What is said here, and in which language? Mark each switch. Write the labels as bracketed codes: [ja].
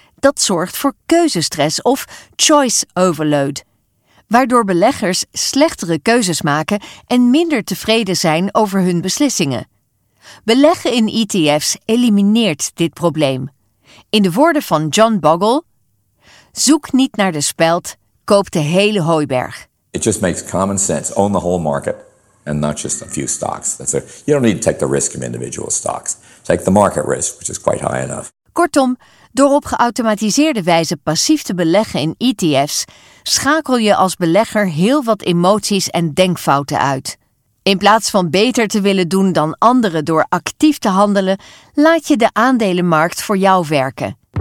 [nl] Dat zorgt voor keuzestress of choice overload, waardoor beleggers slechtere keuzes maken en minder tevreden zijn over hun beslissingen. Beleggen in ETF's elimineert dit probleem. In de woorden van John Bogle: "Zoek niet naar de speld, koop de hele hooiberg." [en] It just makes common sense. Own the whole market and not just a few stocks. That's you don't need to take the risk of individual stocks. Take the market risk, which is quite high enough. [nl] Kortom, door op geautomatiseerde wijze passief te beleggen in ETF's, schakel je als belegger heel wat emoties en denkfouten uit. In plaats van beter te willen doen dan anderen door actief te handelen, laat je de aandelenmarkt voor jou werken.